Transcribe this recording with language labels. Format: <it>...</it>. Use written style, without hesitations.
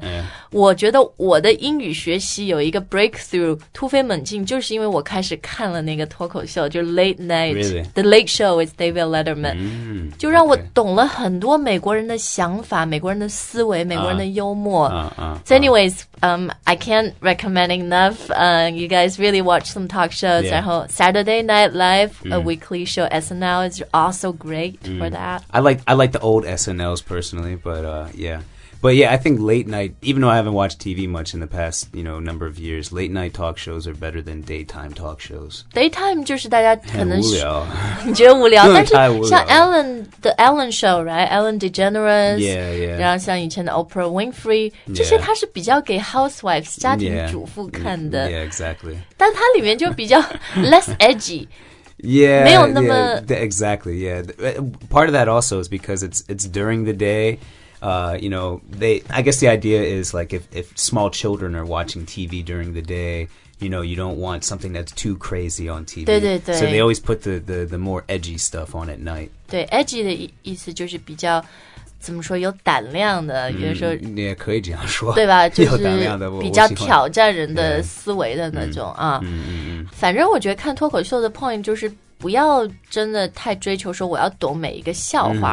<en>Yeah.</en> <zh>我觉得我的英语学习有一个 breakthrough, 突飞猛进就是因为我开始看了那个脱口秀就是 Late Night,、</zh> <en>really? The Late Show with David Letterman,、 mm,</en> <zh>就让我懂了很多美国人的想法、okay. 美国人的思维美国人的幽默。</zh> <en>So anyways,、I can't recommend enough,、you guys really watch some talk shows,、 yeah.</en> <zh>然后</zh> <en>Saturday Night Live,、mm. a weeklyShow SNL is also great、mm. for that. I like the old SNLs personally, but、yeah. But yeah, I think late night, even though I haven't watched TV much in the past, you know, number of years, late night talk shows are better than daytime talk shows.</en> <zh>Daytime 就是大家可能是无聊，觉得无聊，但是像 Ellen 的 Ellen Show, right?</zh> <en>Ellen DeGeneres, yeah, yeah.</en> <zh>然后像以前的 Oprah Winfrey,、yeah. 这些它是比较给 housewives 家庭主妇看的。</zh> <en>Yeah, exactly.</en> <zh>但它里面就比较</zh> <en>less edgy. Yeah,</en> <zh>没有那么</zh> <en>yeah, exactly, yeah. Part of that also is because it's during the day,、you know, I guess the idea is like if small children are watching TV during the day, you know, you don't want something that's too crazy on TV.</en> <zh>对对对</zh> <en>So they always put the more edgy stuff on at night.</en> <zh>对 edgy 的意思就是比较怎么说有胆量的比如说、嗯、你也可以这样说对吧就是比较挑战人的思维的那种啊、嗯嗯嗯、反正我觉得看脱口秀的 point 就是不要真的太追求说我要懂每一个笑话、</zh>